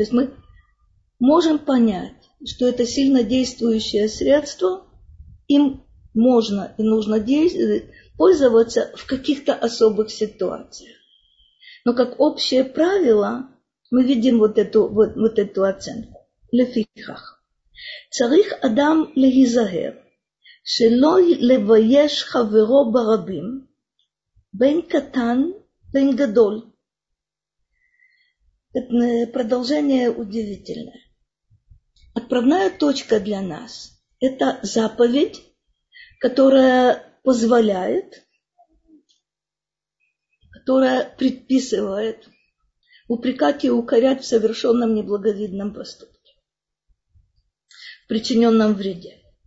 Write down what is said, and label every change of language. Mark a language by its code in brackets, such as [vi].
[ru] То есть мы можем понять, что это сильно действующее средство, им можно и нужно пользоваться в каких-то особых ситуациях. Но как общее правило, мы видим вот эту оценку. [he] Лефихах. Царих адам легизагер. שלא לבייש חברו ברבים, בין קטן, בין גדול. [ru] Это продолжение удивительное. Отправная точка для нас – это заповедь, которая позволяет, которая предписывает упрекать и укорять в совершенном неблаговидном поступке, в причиненном вреде.